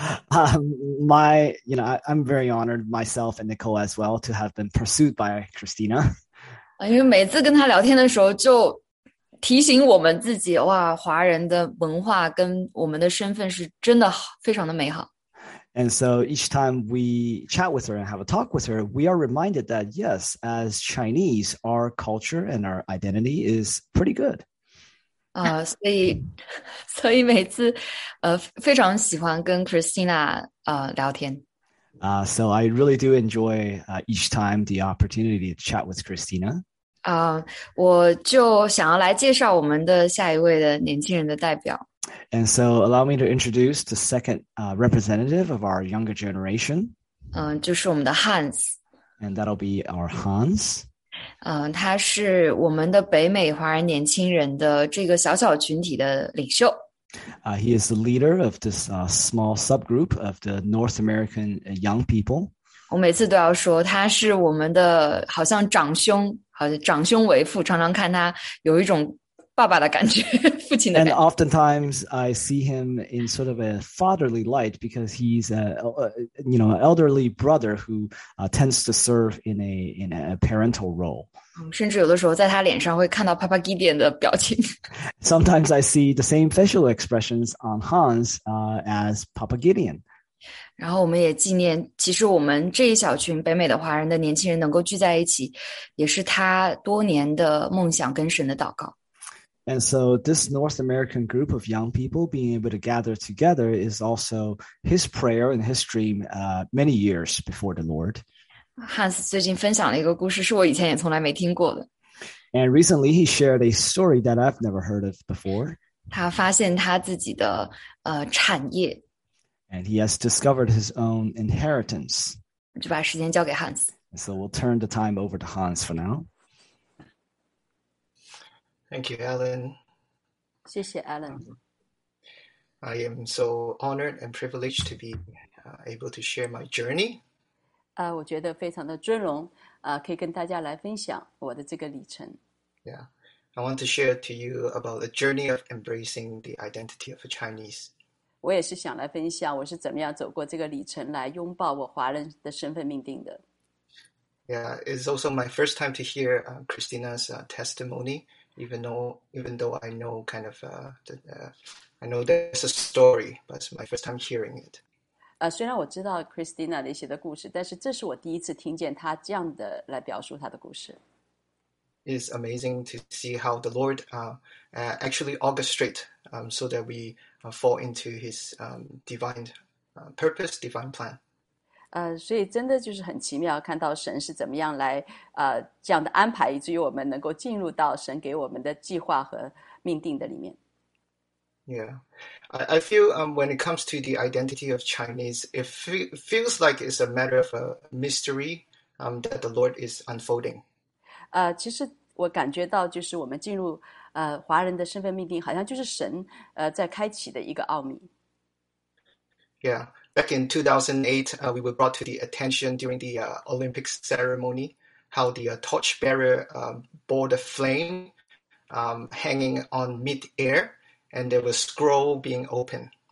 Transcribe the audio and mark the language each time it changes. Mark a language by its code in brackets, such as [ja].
[en] I'm very honored myself and Nicole as well to have been pursued by Christina. [zh] 因为每次跟她聊天的时候就提醒我们自己，哇，华人的文化跟我们的身份是真的非常的美好。 [en] And so each time we chat with her and have a talk with her, we are reminded that yes, as Chinese, our culture and our identity is pretty good. [zh] 所以每次非常喜欢跟 Christina 聊天。 [en] So I really do enjoy each time the opportunity to chat with Christina. [zh] 我就想要来介绍我们的下一位的年轻人的代表。 [en] And so allow me to introduce the second representative of our younger generation. [zh] 就是我们的 Hans. [en] And that'll be our Hans. [zh] 他是我们的北美华人年轻人的这个小小群体的领袖。 [en] He is the leader of this small subgroup of the North American young people. [zh] 我每次都要说他是我们的好像长兄，好像长兄为父，常常看他有一种爸爸的感觉，父亲的感觉。 [en] And oftentimes I see him in sort of a fatherly light because he's an elderly brother who tends to serve in a parental role. [zh] 甚至有的时候在他脸上会看到 Papa Gideon 的表情。 [en] Sometimes I see the same facial expressions on Hans as Papa Gideon. [zh] 然后我们也纪念，其实我们这一小群北美的华人的年轻人能够聚在一起，也是他多年的梦想跟神的祷告。 [en] And so this North American group of young people being able to gather together is also his prayer and his dream many years before the Lord. [zh] Hans 最近分享了一个故事，是我以前也从来没听过的。 [en] And recently he shared a story that I've never heard of before. [zh] 他发现他自己的产业。 [en] And he has discovered his own inheritance. [zh] 就把时间交给 Hans。 [en] So we'll turn the time over to Hans for now. Thank you, Alan. [zh] 谢谢 Alan. [en] I am so honored and privileged to be able to share my journey. [zh] 我觉得非常的尊荣，可以跟大家来分享我的这个历程。 [en] Yeah, I want to share to you about the journey of embracing the identity of a Chinese. [zh] 我也是想来分享我是怎么样走过这个历程来拥抱我华人的身份命定的。 [en] Yeah, it's also my first time to hear Christina's testimony. Even though I know kind of I know there's a story, but it's my first time hearing it. [zh] 虽然我知道 Christina 的一些的故事，但是这是我第一次听见她这样的来表述她的故事。 [en] It's amazing to see how the Lord actually orchestrate so that we fall into His divine purpose, divine plan. [zh] 所以真的就是很奇妙看到神是怎么样来这样的安排，以至于我们能够进入到神给我们的计划和命定的里面。 [en] Yeah, I feel when it comes to the identity of Chinese, it feels like it's a matter of a mystery that the Lord is unfolding. [zh] 其实我感觉到就是我们进入华人的身份命定，好像就是神在开启的一个奥秘。 [en] Yeah. Back in 2008, we were brought to the attention during the Olympic ceremony, how the torchbearer bore the flame hanging on mid-air, and there was scroll being opened.